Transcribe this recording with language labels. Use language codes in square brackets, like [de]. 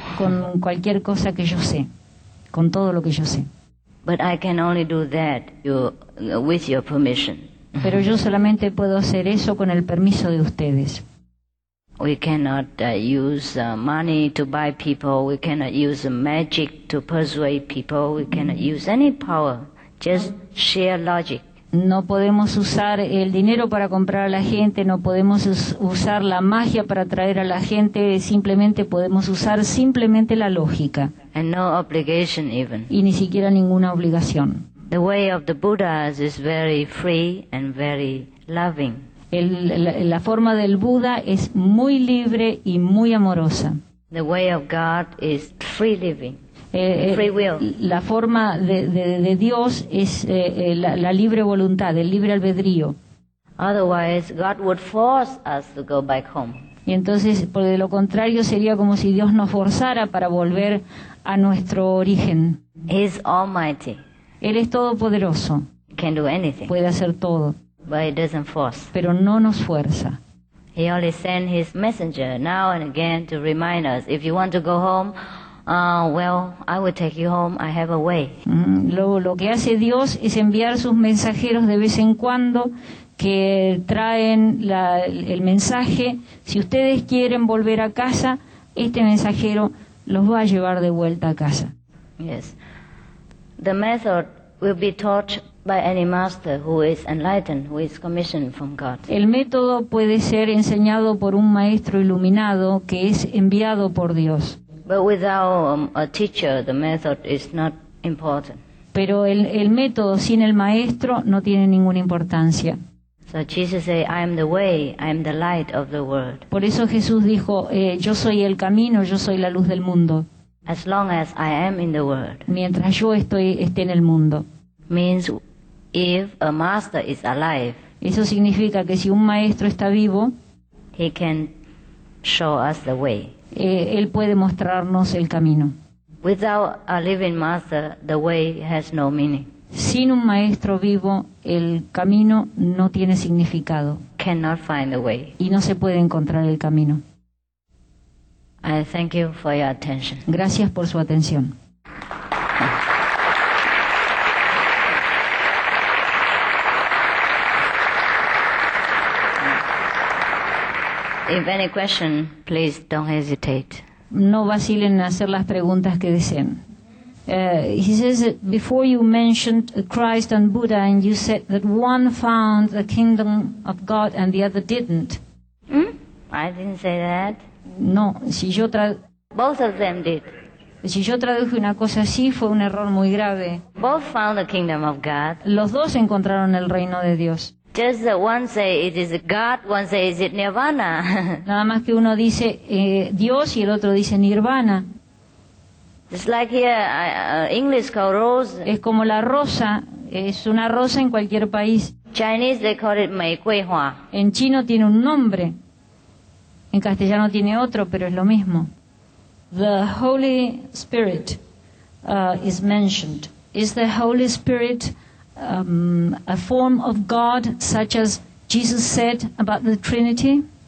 [es] Con cualquier cosa que yo sé, con todo lo que yo sé. [en] But I can only do that with your permission. [es] Pero yo solamente puedo hacer eso con el permiso de ustedes. [en] We cannot use money to buy people. We cannot use magic to persuade people. We cannot use any power. Just sheer logic. [es] No podemos usar el dinero para comprar a la gente, no podemos usar la magia para atraer a la gente, simplemente podemos usar simplemente la lógica. [en] And no obligation even. [es] Y ni siquiera ninguna obligación. [en] The way of the Buddhas is very free and very loving. [es] La forma del Buda es muy libre y muy amorosa. [en] The way of God is free living. Free will. [es] La forma de Dios es la libre voluntad, el libre albedrío. [en] Otherwise, God would force us to go back home. [es] Y entonces, por de lo contrario, sería como si Dios nos forzara para volver a nuestro origen. [en] He's almighty. [es] Él es todopoderoso. [en] Can do anything. [es] Puede hacer todo. [en] But he doesn't force. [es] Pero no nos fuerza. [en] He only sent his messenger now and again to remind us, if you want to go home, I will take you home. I have a way. [es] Lo que hace Dios es enviar sus mensajeros de vez en cuando que traen el mensaje. Si ustedes quieren volver a casa, este mensajero los va a llevar de vuelta a casa. [en] Yes. The method will be taught by any master who is enlightened, who is commissioned from God. [es] El método puede ser enseñado por un maestro iluminado que es enviado por Dios. [en] But without a teacher, the method is not important. [es] Pero el método sin el maestro no tiene ninguna importancia. [en] So Jesus said, I am the way, I am the light of the world. [es] Por eso Jesús dijo, yo soy el camino, yo soy la luz del mundo. [en] As long as I am in the world. [es] Mientras yo esté en el mundo. [en] Means if a master is alive. [es] Eso significa que si un maestro está vivo, [en] he can show us the way. [es] Él puede mostrarnos el camino. [en] Without a living master, the way has no meaning. [es] Sin un maestro vivo, el camino no tiene significado. [en] Cannot find the way. [es] Y no se puede encontrar el camino. [en] I thank you for your attention. [es] Gracias por su atención. [en] If any question, please don't hesitate. [es] No vacilen en hacer las preguntas que deseen. [en] He says, before you mentioned Christ and Buddha, and you said that one found the kingdom of God and the other didn't. I didn't say that. [es] No, si yo [en] Both of them did. [es] Si yo traduje una cosa así, fue un error muy grave. [en] Both found the kingdom of God. [es] Los dos encontraron el reino de Dios. [en] Just that one say it is God, one say is it Nirvana. [es] Nada más que uno dice Dios y el otro dice Nirvana. [en] It's like here, English called rose. [es] Es como la rosa, es una rosa en cualquier país. [en] Chinese they call it Mei Kui Hua. [es] En chino tiene un nombre, en castellano tiene otro, pero es lo mismo. [en] The Holy Spirit is mentioned. Is the Holy Spirit a form of God, such as Jesus said about the Trinity?